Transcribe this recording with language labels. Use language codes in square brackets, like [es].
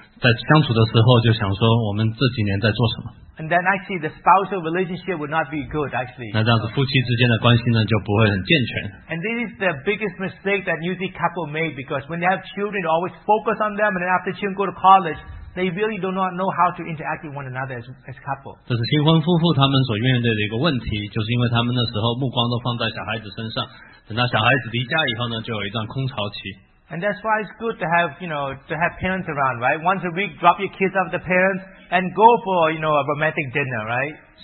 [zh] 那我们通常都把目光放在小孩身上了。那小孩进了大学以后呢，我们在相处的时候就想说，我们这几年在做什么？ [en] And then actually, the spousal relationship would not be good, actually. [zh] 那这样子夫妻之间的关系呢，就不会很健全。 [en] And this is the biggest mistake that usually couple make, because when they have children, they always focus on them, and then after children go to college, they really do not know how to interact with one another as couple. [zh] 这是新婚夫妇他们所面对的一个问题，就是因为他们那时候目光都放在小孩子身上，等到小孩子离家以后呢，就有一段空巢期。 [en] And that's why it's good to have, you know, to have parents around, right? Once a week, drop your kids off the parents and go for, you know, a romantic dinner, right?